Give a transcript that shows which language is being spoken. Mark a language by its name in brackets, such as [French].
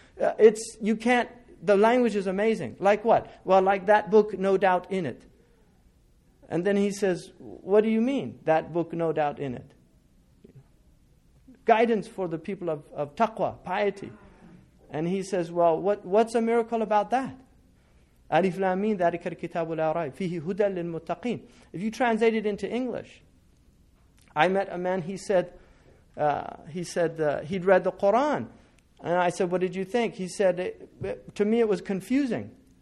[English] The language is amazing. Like what? Well, like that book, no doubt in it. And then he says, what do you mean, that book, no doubt in it? Guidance for the people of taqwa, piety. And he says, well, what's a miracle about that? [Arabic] Alif Lam Mim, ذَلِكَ الْكِتَابُ لَا رَيْبَ فِيهِ هُدًى لِلْمُتَّقِينَ. [English] If you translate it into English, I met a man, he said he'd read the Qur'an. And I said, what did you think? He said, to me it was confusing.